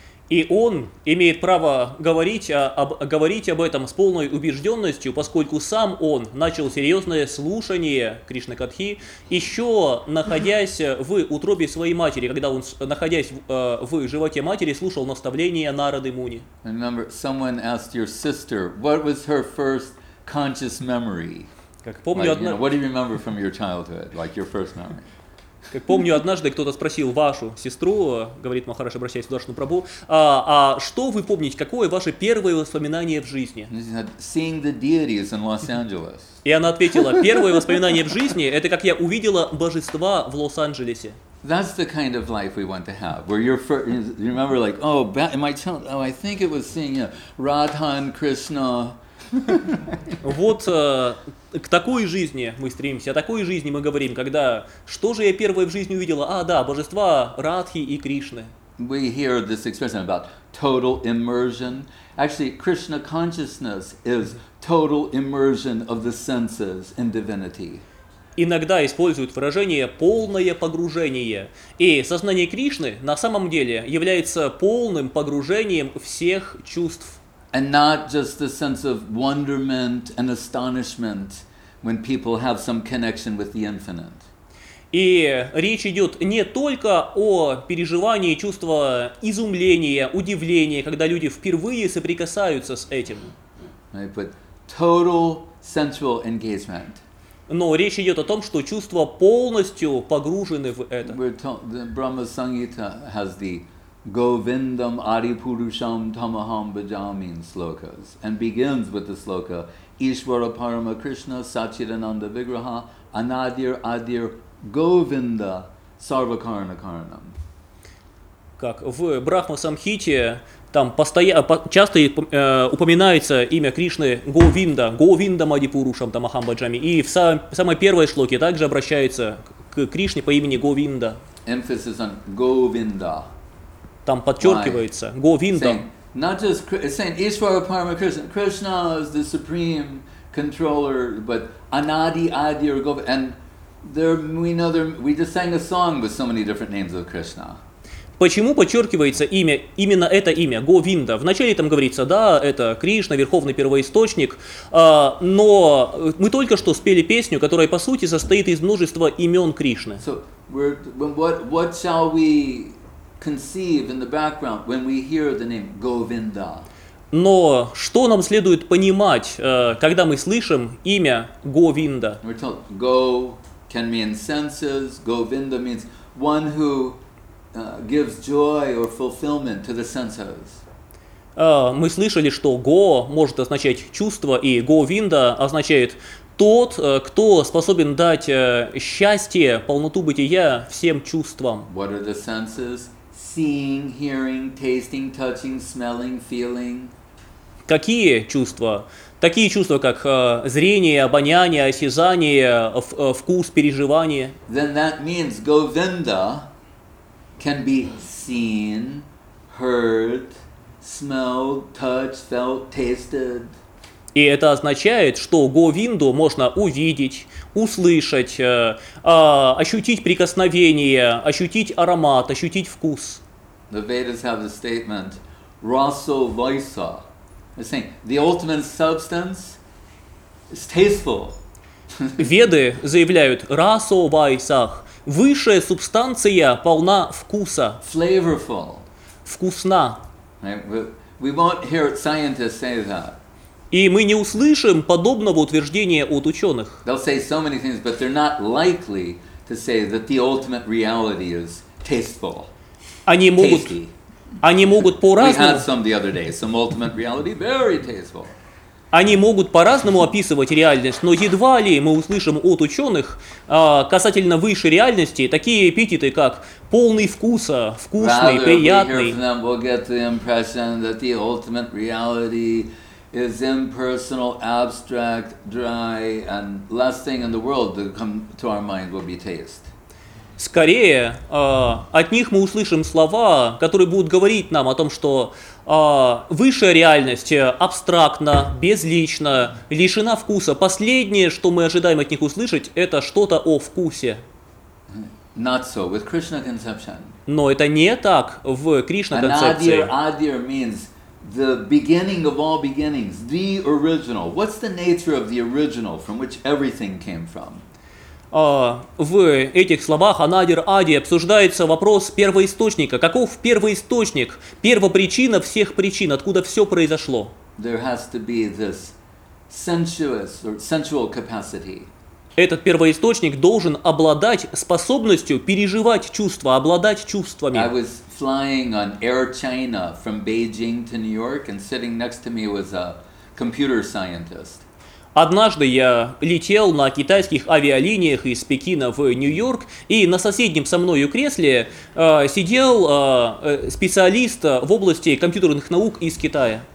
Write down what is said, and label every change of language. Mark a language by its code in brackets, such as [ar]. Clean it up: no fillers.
[ru] И он имеет право говорить об этом с полной убежденностью, поскольку сам он начал серьезное слушание Кришны Катхи, еще находясь в утробе своей матери, когда он, находясь в животе матери, слушал наставления Нарады Муни. [en] Remember, someone asked your sister, what was her first conscious memory? [ru] Как помню, [en] like, you know, what do you remember from your childhood, like your first memory? [ru] Как помню, однажды кто-то спросил вашу сестру, говорит Махараш, обращаясь к Сударшану Прабху, а что вы помните, какое ваше первое воспоминание в жизни? [en] Seeing the deities in Los-Angeles. [ru] И она ответила, первое воспоминание в жизни, это как я увидела божества в Лос-Анджелесе. [en] That's the kind of life we want to have, where you're first, you remember like, oh, my child, oh, I think it was seeing, you know, Radha and Krishna. [ru] Вот к такой жизни мы стремимся, о такой жизни мы говорим, когда что же я первое в жизни увидела? А, да, божества Радхи и Кришны. [en] We hear this expression about total immersion. Actually, Krishna consciousness is total immersion of the senses in divinity. [ru] Иногда используют выражение «полное погружение». И сознание Кришны на самом деле является полным погружением всех чувств. [en] And not just the sense of wonderment and astonishment when people have some connection with the infinite. [ru] И речь идет не только о переживании чувства изумления, удивления, когда люди впервые соприкасаются с этим. [en] But total sensual engagement. [ru] Но речь идет о том, что чувства полностью погружены в это. [en] The Brahma Sangita has the Govindam Adipurusham Tamaham Bhajami slokas and begins with the sloka Ishvara Parama Krishna Satchidananda Vigraha Anadir Adir Govinda Sarvakarana Karanam. [ru] Как в Брахма Самхите там часто упоминается имя Кришны Говинда, Говиндам Адипурушам Тамахам Бхаджами, и в самой первой шлоке также обращается к Кришне по имени Говинда. [en] Emphasis on Govinda. [ru] Там подчеркивается Говинда. [en] Not just saying Ishvara Parama Krishna. Krishna is the supreme controller, but Anadi Adir Govinda. And there we know there we just sang a song with so many different names of Krishna. [ru] Почему подчеркивается имя, именно это имя, Говинда? Вначале там говорится, да, это Кришна, верховный первоисточник, но мы только что спели песню, которая, по сути, состоит из множества имен Кришны. [en] So, what shall we conceive in the background when we hear the name Govinda. [ru] Но что нам следует понимать, когда мы слышим имя Говинда? [en] We're told go can mean senses. Govinda means one who gives joy or fulfillment to the senses. [ru] Мы слышали, что go может означать чувство, и Говинда означает тот, кто способен дать счастье, полноту бытия всем чувствам. [en] What are the senses? Seeing, hearing, tasting, touching, smelling, feeling. [ru] Какие чувства? Такие чувства, как зрение, обоняние, осязание, вкус, переживание. [en] Then that means Govinda can be seen, heard, smelled, touched, felt, tasted. [ru] И это означает, что Говинду можно увидеть, услышать, ощутить прикосновение, ощутить аромат, ощутить вкус. [en] The Vedas have the statement raso vaisa. They're saying the ultimate substance is tasteful. [ru] Веды заявляют raso vaisa. Высшая субстанция полна вкуса. [en] Flavorful. [ru] Вкусна. [en] We won't hear scientists say that. [ru] И мы не услышим подобного утверждения от ученых. [en] They'll say so many things, but they're not likely to say that the ultimate reality is tasteful. [ru] они могут, [en] tasty. [ru] Они могут по-разному. [en] We had some the other day, some ultimate reality, very tasteful. [ru] Они могут по-разному описывать реальность, но едва ли мы услышим от ученых касательно высшей реальности такие эпитеты, как полный вкуса, вкусный, приятный. [en] Rather, is impersonal, abstract, dry, and last thing in the world to come to our mind will be taste. [ru] Скорее, от них мы услышим слова, которые будут говорить нам о том, что высшая реальность абстрактна, безлична, лишена вкуса. Последнее, что мы ожидаем от них услышать, это что-то о вкусе. [en] Not so with Krishna conception. [ru] Но это не так в Кришна концепции. [en] Adir means the beginning of all beginnings, the original. What's the nature of the original from which everything came from? [ru] В этих словах Анадир Ади обсуждается вопрос первоисточника. Каков первоисточник, первопричина всех причин, откуда все произошло? [en] There has to be this sensuous or sensual capacity. [ru] Этот первоисточник должен обладать способностью переживать чувства, обладать чувствами. [en] I was flying on Air China from Beijing to New York, and sitting next to me was a computer scientist. [ru] Однажды я летел на китайских авиалиниях из Пекина в Нью-Йорк, и на соседнем со мною кресле сидел специалист в области компьютерных наук из Китая.